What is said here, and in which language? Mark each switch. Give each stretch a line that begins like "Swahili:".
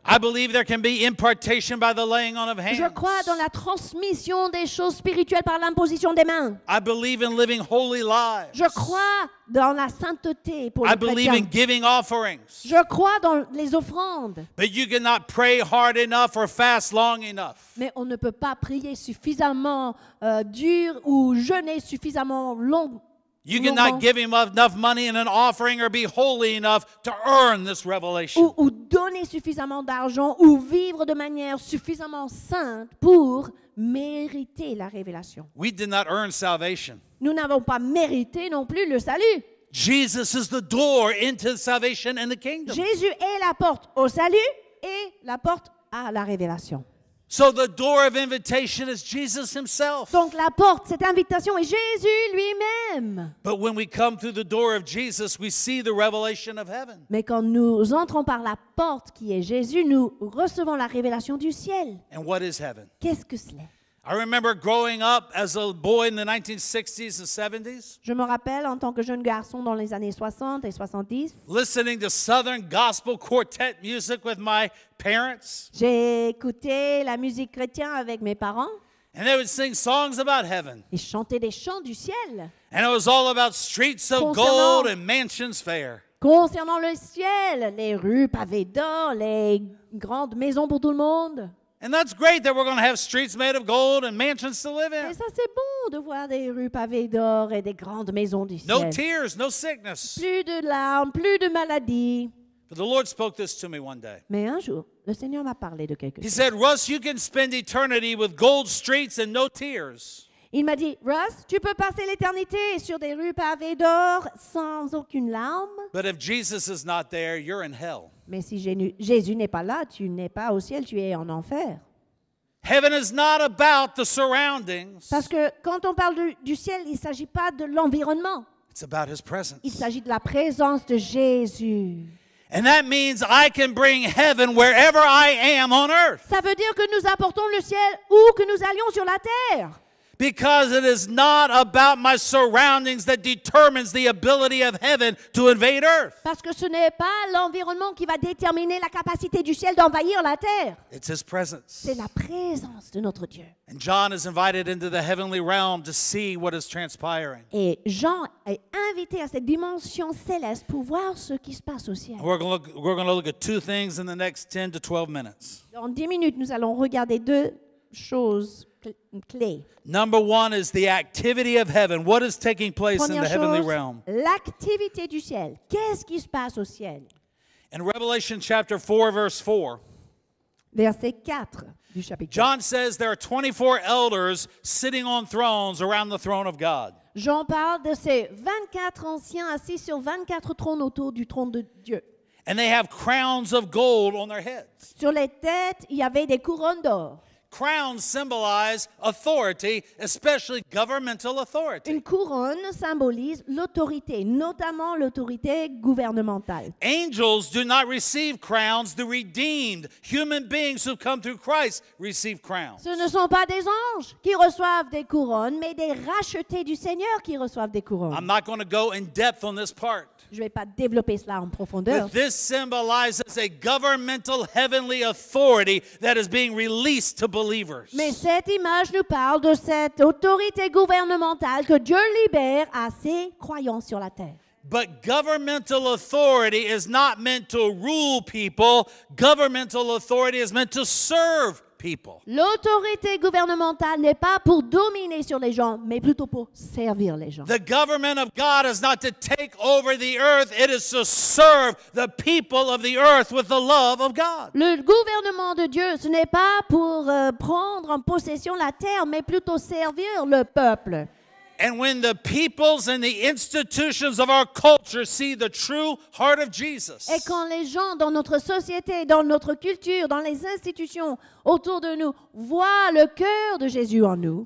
English: I believe there can be impartation by the laying on of hands.
French: Je crois dans la transmission des choses spirituelles par l'imposition des mains.
English: I believe in living holy lives.
French: Je crois dans la sainteté pour les chrétiens.
English: I believe in giving offerings.
French: Je crois dans les offrandes.
English: But you cannot pray hard enough or fast long enough.
French: Mais on ne peut pas prier suffisamment dur ou jeûner suffisamment long.
English: You cannot give him enough money in an offering or be holy enough to earn this revelation.
French: Ou donner suffisamment d'argent ou vivre de manière suffisamment sainte pour mériter la révélation.
English: We did not earn salvation.
French: Nous n'avons pas mérité non plus le salut.
English: Jesus is the door into salvation and the kingdom.
French: Jésus est la porte au salut et la porte à la révélation.
English: So the door of invitation is Jesus himself.
French: Donc la porte, cette invitation est Jésus lui-même.
English: But when we come through the door of Jesus, we see the revelation of heaven.
French: Mais quand nous entrons par la porte qui est Jésus, nous recevons la révélation du ciel.
English: And what is heaven?
French: Qu'est-ce que cela?
English: I remember growing up as a boy in the 1960s and 70s.
French: Je me rappelle en tant que jeune garçon dans les années 60 et 70.
English: Listening to Southern Gospel Quartet music with my parents.
French: J'ai écouté la musique chrétienne avec mes parents.
English: And they would sing songs about heaven.
French: Ils chantaient des chants du ciel.
English: And it was all about streets of gold and mansions fair.
French: Concernant le ciel, les rues pavées d'or, les grandes maisons pour tout le monde.
English: And that's great that we're going to have streets made of gold and mansions to live in.
French: Et ça c'est bon de voir des rues pavées d'or et des grandes maisons du ciel.
English: No tears, no sickness.
French: Plus de larmes, plus de maladies.
English: But the Lord spoke this to me one day.
French: Mais un jour, le Seigneur m'a parlé de quelque chose.
English: He said, "Russ, you can spend eternity with gold streets and no tears."
French: Il m'a dit, "Russ, tu peux passer l'éternité sur des rues pavées d'or sans aucune larme."
English: But if Jesus is not there, you're in hell.
French: Mais si Jésus n'est pas là, tu n'es pas au ciel, tu es en enfer.
English: Heaven is not about the surroundings.
French: Parce que quand on parle du ciel, il ne s'agit pas de l'environnement.
English: It's about his presence.
French: Il s'agit de la présence de Jésus.
English: And that means I can bring heaven wherever I am on earth.
French: Ça veut dire que nous apportons le ciel où que nous allions sur la terre.
English: Because it is not about my surroundings that determines the ability of heaven to invade earth.
French: Parce que ce n'est pas l'environnement qui va déterminer la capacité du ciel d'envahir la terre.
English: It's his presence.
French: C'est la présence de notre Dieu.
English: And John is invited into the heavenly realm to see what is transpiring.
French: Et Jean est invité à cette dimension céleste pour voir ce qui se passe au ciel.
English: We're going to look at two things in the next 10 to 12 minutes.
French: Dans 10 minutes, nous allons regarder deux choses.
English: Number one is the activity of heaven. What is taking place in the heavenly realm?
French: L'activité du ciel. Qu'est-ce qui se passe au ciel?
English: In Revelation chapter 4, verse 4,
French: verset 4 du chapitre.
English: John says there are 24 elders sitting on thrones around the throne of God.
French: Jean parle de ces 24 anciens assis sur 24 trônes autour du trône de Dieu.
English: And they have crowns of gold on their heads.
French: Sur les têtes, il y avait des couronnes d'or.
English: Crowns symbolize authority, especially governmental authority.
French: Une couronne symbolise l'autorité, notamment l'autorité gouvernementale.
English: Angels do not receive crowns. The redeemed, human beings who come through Christ, receive crowns.
French: Ce ne sont pas des anges qui reçoivent des couronnes, mais des rachetés du Seigneur qui reçoivent des couronnes.
English: I'm not going to go in depth on this part.
French: Je ne vais pas développer cela en profondeur.
English: But this symbolizes a governmental heavenly authority that is being released to believers.
French: Mais cette image nous parle de cette autorité gouvernementale que Dieu libère à ses croyants sur la terre.
English: But governmental authority is not meant to rule people. Governmental authority is meant to serve people.
French: L'autorité gouvernementale n'est pas pour dominer sur les gens, mais plutôt pour servir les gens.
English: The government of God is not to take over the earth, it is to serve the people of the earth with the love of God.
French: Le gouvernement de Dieu, ce n'est pas pour prendre en possession la terre, mais plutôt servir le peuple.
English: And when the peoples and the institutions of our culture see the true heart of Jesus,
French: et quand les gens dans notre société, dans notre culture, dans les institutions autour de nous voient le cœur de Jésus en nous,